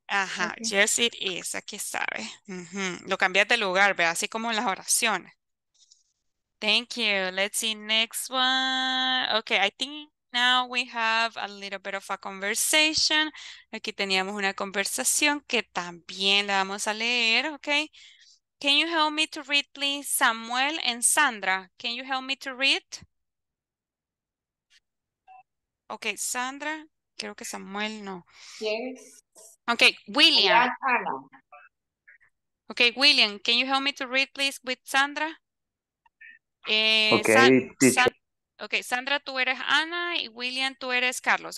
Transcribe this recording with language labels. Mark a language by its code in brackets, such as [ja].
[es] Ajá, okay. [en] Yes, it is. [es] Aquí sabe. Uh-huh. Lo cambias de lugar, ¿ve? Así como en las oraciones. [en] Thank you. Let's see next one. Okay, I think now we have a little bit of a conversation. [es] Aquí teníamos una conversación que también la vamos a leer, okay? [en] Can you help me to read, please, Samuel and Sandra? Can you help me to read? [es] Okay, Sandra. Creo que Samuel no. [en] Yes. Okay, William. Okay, William, can you help me to read, please, with Sandra? Okay, teacher. [es] Okay, Sandra, tú eres Ana y William, tú eres Carlos.